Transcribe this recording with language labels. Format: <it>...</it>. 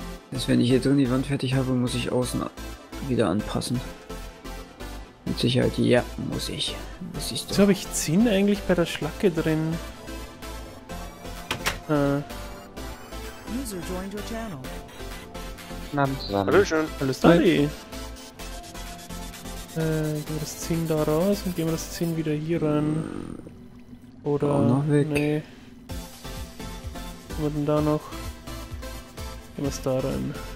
<de>Das, wenn ich hier drin die Wand fertig habe, muss ich außen wieder anpassen. Mit Sicherheit, ja, muss ich. Muss ich doch. So, habe ich Zinn eigentlich bei der Schlacke drin?</de> <en>User joined your channel.</en> <de>Hallo schön. Hallo Stanley. Gehen wir das Zinn da raus und gehen wir das Zinn wieder hier rein. Oder auch noch weg. Nee. Was denn da noch? Gehen wir es da rein.</de>